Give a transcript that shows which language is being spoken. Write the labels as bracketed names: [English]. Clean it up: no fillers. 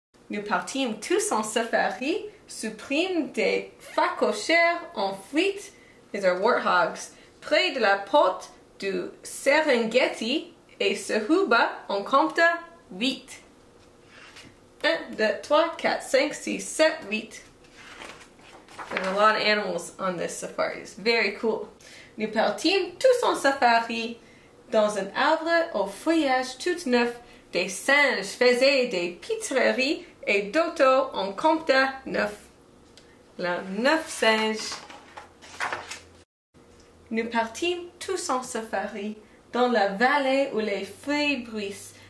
[French] Nous partîmes tous en safari. Suprîmes des facochères en fuite. [English] These are warthogs. [French] Près de la porte du Serengeti et Sehuba en compta huit. 1, 2, 3, 4, 5, 6, 7, 8. [English] There's a lot of animals on this safari. It's very cool. [French] Nous partîmes tous en safari. Dans un arbre au feuillage tout neuf, des singes faisaient des pitreries et Dodo en compta neuf. La neuf singes. Nous partîmes tous en safari. Dans la vallée où les feuilles bruissent.